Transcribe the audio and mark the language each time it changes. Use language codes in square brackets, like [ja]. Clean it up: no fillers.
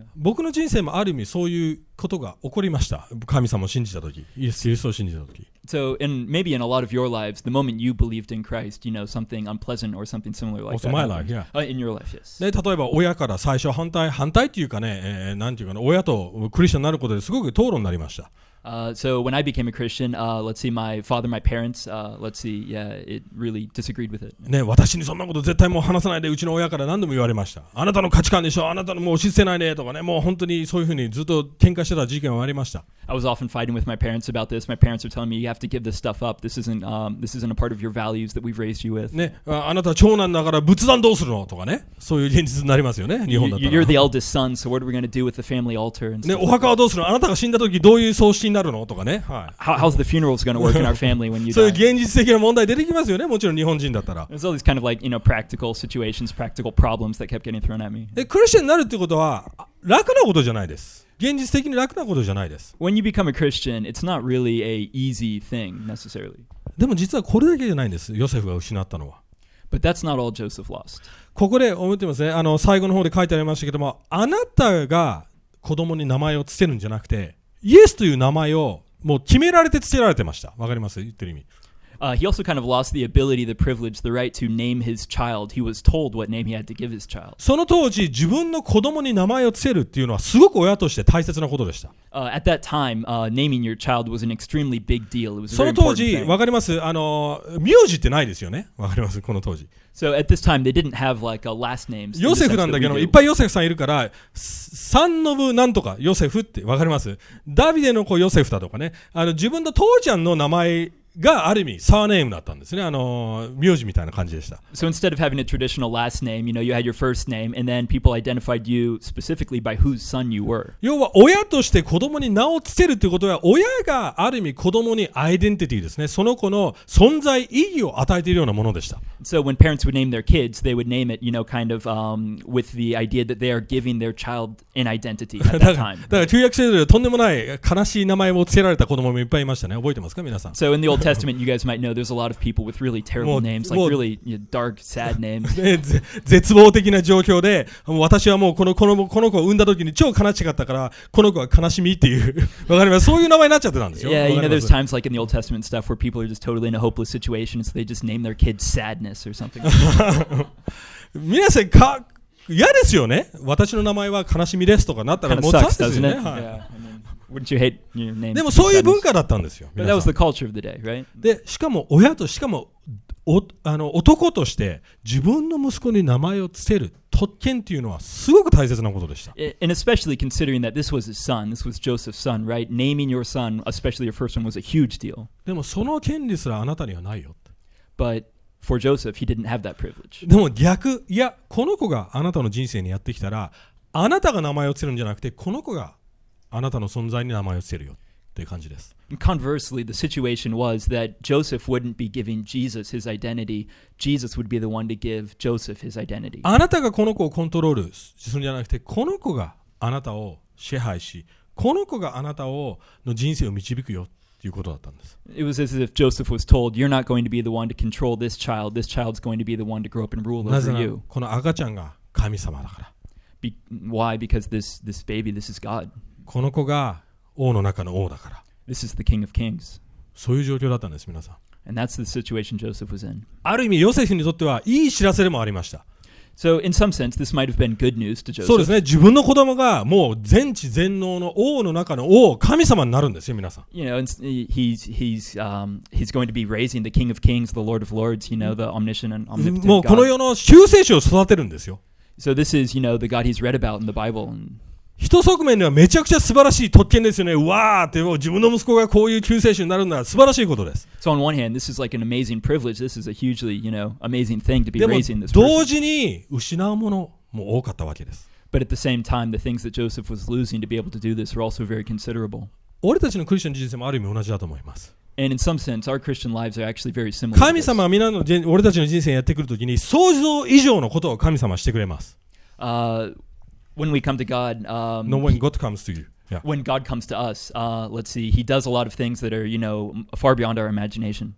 [ja] 僕の人生もある意味そういうことが起こりました。神様を信じたとき、イエス・キリストを信じたとき。 [en] So, and maybe in a lot of your lives, the moment you believed in Christ, you know, something unpleasant or something similar like also that. Also my life, yeah. In your life, yes. [ja] 例えば親から最初反対っていうかね、なんていうかな、親とクリスチャンになることですごく討論になりました。 [en] So when I became a Christian, let's see, my father, my parents, let's see, yeah, it really disagreed with it. [ja] ね、私にそんなこと絶対もう話さないで、うちの親から何度も言われました。あなたの価値観でしょ、あなたのもう押し付けないでとかね、もう本当にそういうふうにずっと喧嘩してた事件はありました。 [en] I was often fighting with my parents about this. My parents were telling me, you have to give this stuff up. This isn't a part of your values that we've raised you with. [ja] ね、あなた長男だから仏壇どうするのとかね、そういう現実になりますよね、日本だったら。 [en] You're the eldest son, so what are we going to do with the family altar? And [ja] ね、お墓はどうするの、あなたが死んだ時どういう葬式になるのとかね、はい。 [en] How's the funerals going to work in our family when you die? [ja] そういう現実的な問題出てきますよね、もちろん日本人だったら。 [en] There's all these kind of like, you know, practical situations, practical problems that kept getting thrown at me. [ja] で、クリスチャンになるってことは楽なことじゃないです。現実的に楽なことじゃないです。 [en] When you become a Christian, it's not really a easy thing necessarily. [ja] でも実はこれだけじゃないんです。ヨセフが失ったのは。 [en] But that's not all Joseph lost. [ja] ここで思ってますね。最後の方で書いてありましたけども、あなたが子供に名前をつけるんじゃなくて、イエスという名前をもう決められてつけられてました。わかります？言ってる意味。 [en] He also kind of lost the ability, the privilege, the right to name his child. He was told what name he had to give his child. [ja] その当時、自分の子供に名前をつけるっていうのはすごく親として大切なことでした。 [en] At that time, naming your child was an extremely big deal. It was [ja] その当時、わかります？名字ってないですよね。わかります？この当時。 [en] So at this time, they didn't have like a last name. [ja] ヨセフなんだけど、いっぱいヨセフさんいるから、サンノブなんとかヨセフってわかります？ダビデの子ヨセフだとかね、自分の父ちゃんの名前がある意味サーネームだったんですね。名字みたいな感じでした。 [en] So instead of having a traditional last name, you know, you had your first name, and then people identified you specifically by whose son you were. [ja] 要は親として子供に名をつけるということは、親がある意味子供にアイデンティティですね。その子の存在意義を与えているようなものでした。 [en] So when parents would name their kids, they would name it, you know, kind of with the idea that they are giving their child an identity at that time. [ja] だから旧約聖書でとんでもない悲しい名前をつけられた子供もいっぱいいましたね。覚えてますか、皆さん。 [en] So in the Old Testament, you guys might know there's a lot of people with really terrible names, like really dark, sad names. [ja] 絶望的な状況で、私はもうこの子を産んだ時に超悲しかったから、この子は悲しみっていう、わかります。そういう名前になっちゃってたんですよ。 [en] Yeah, you know, there's times like in the Old Testament stuff where people are just totally in a hopeless situation, so they just name their kid Sadness or something. [ja] 皆さん、嫌ですよね。私の名前は悲しみですとかなったら、もう差ですよね。 [en] Wouldn't you hate your name? [ja] でもそういう文化だったんですよ。 [en] But that was the culture of the day, right? [ja] で、しかも親と、しかも男として自分の息子に名前をつける特権っていうのはすごく大切なことでした。 [en] And especially considering that this was his son, this was Joseph's son, right? Naming your son, especially your first one, was a huge deal. [ja] でもその権利すらあなたにはないよ。 [en] But for Joseph, he didn't have that privilege. [ja] でも逆、いや、この子があなたの人生にやってきたら、あなたが名前をつけるんじゃなくて、この子があなたの存在に名前をつけるよっていう感じです。 [en] Conversely, the situation was that Joseph wouldn't be giving Jesus his identity. Jesus would be the one to give Joseph his identity. [ja] あなたがこの子をコントロールするんじゃなくて、この子があなたを支配し、この子があなたをの人生を導くよっていうことだったんです。 [en] It was as if Joseph was told, "You're not going to be the one to control this child. This child's going to be the one to grow up and rule over you." [ja] この赤ちゃんが神様だから。 [en] Why? Because this baby, this is God. [ja] この子が王の中の王だから。 [en] This is the king of kings. [ja] そういう状況だったんです、皆さん。 [en] And that's the situation Joseph was in. [ja] ある意味、ヨセフにとってはいい知らせでもありました。 [en] So in some sense, this might have been good news to Joseph. [ja] そうですね。自分の子供がもう全知全能の王の中の王、神様になるんですよ、皆さん。 [en] You know, he's going to be raising the king of kings, the lord of lords, you know, the omniscient and omnipotent God. [ja] もうこの世の救世主を育てるんですよ。 [en] So this is, you know, the God he's read about in the Bible and... [ja] 一側面ではめちゃくちゃ素晴らしい特権ですよね。わーって自分の息子がこういう救世主になるんだ、素晴らしいことです。 [en] So on one hand, this is like an amazing privilege. This is a hugely, you know, amazing thing to be raising this. [ja] でも同時に失うものも多かったわけです。 [en] But at the same time, the things that Joseph was losing to be able to do this were also very considerable. [ja] 俺たちのクリスチャン人生もある意味同じだと思います。 [en] And in some sense, our Christian lives are actually very similar. [ja] 神様は皆の俺たちの人生やってくるときに想像以上のことを神様はしてくれます。 [en] When we come to God, no, when God comes to you, yeah. When God comes to us, let's see, He does a lot of things that are, you know, far beyond our imagination.